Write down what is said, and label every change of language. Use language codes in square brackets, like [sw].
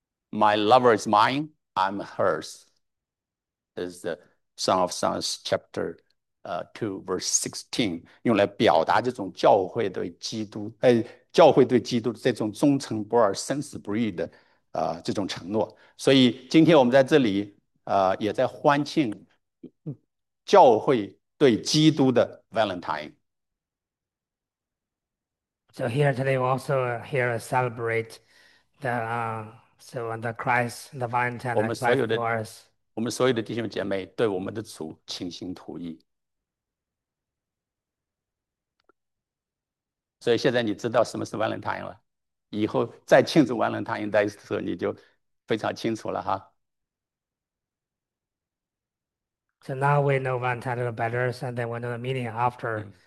[zh] My lover is mine, I'm hers. Is the Song of Songs, chapter, two, verse 16，用来表达这种教会对基督，教会对基督这种忠诚不二、生死不渝的，这种承诺。所以今天我们在这里，也在欢庆教会对基督的 Valentine。 [en] So here today, we also here celebrate the so on the Christ, the Valentine that Christ for us. [zh] 我们所有的弟兄姐妹对我们的主倾心吐意，所以现在你知道什么是 Valentine 了。以后再庆祝 Valentine Day 的时候，你就非常清楚了哈。 [en] So now we know Valentine a little better, so then we know the meaning after.